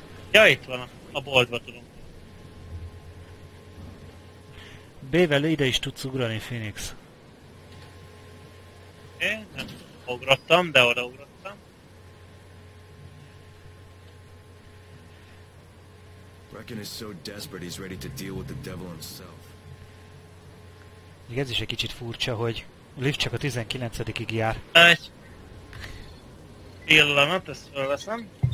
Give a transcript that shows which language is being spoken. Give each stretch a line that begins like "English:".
Hungarian: Ja, itt van. A boltba tudunk. B-vel ide is tudsz ugrani, Phoenix. Nem ugrottam, de oda ugrottam.
English: Reckon is so desperate he's ready to deal with the devil himself.
Hungarian: Igen, ez is egy kicsit furcsa, hogy a lift csak a 19-ig jár. Egy pillanat, ezt felveszem.